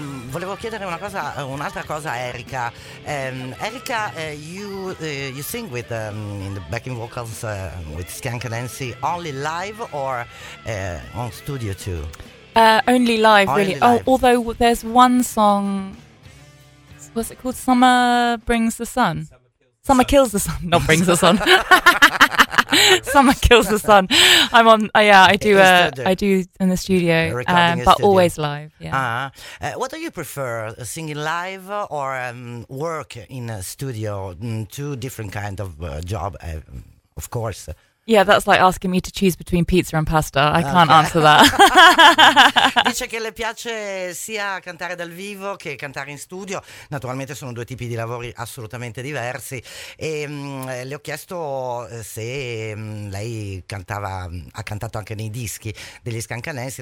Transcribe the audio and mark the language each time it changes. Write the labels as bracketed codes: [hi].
[it] Volevo chiedere una cosa, un'altra cosa a Erika. [en] Erika, you sing with in the backing vocals with Skunk Anansie only live or on studio too? Only live, only really. Live. Oh, although there's one song. What's it called? Summer Brings the Sun. Summer Kills the Sun, not Brings the Sun. Summer Kills the Sun. I'm on. I do in the studio, but always live. Yeah. What do you prefer, singing live or work in a studio? Two different kind of job, of course. Yeah, that's like asking me to choose between pizza and pasta. I can't answer that. [it] Dice che le piace sia cantare dal vivo che cantare in studio. Naturalmente sono due tipi di lavori assolutamente diversi. E le ho chiesto se lei cantava, ha cantato anche nei dischi degli Skunk Anansie.